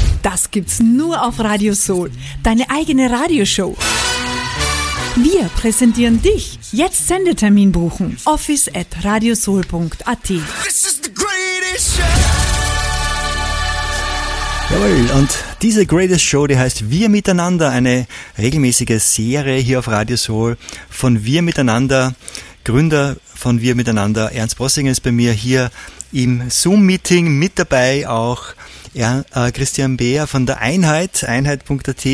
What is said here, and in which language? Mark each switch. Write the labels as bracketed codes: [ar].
[de] Das gibt's nur auf Radio Soul. Deine eigene Radioshow. Wir präsentieren dich. Jetzt Sendetermin buchen. office@radiosoul.at. [en] This is the greatest show. [de] Jawohl, und diese Greatest Show, die heißt Wir Miteinander, eine regelmäßige Serie hier auf Radio Soul von Wir Miteinander. Gründer von Wir Miteinander, Ernst Bossinger, ist bei mir hier im Zoom-Meeting mit dabei, auch Christian Beer von der Einheit, einheit.at.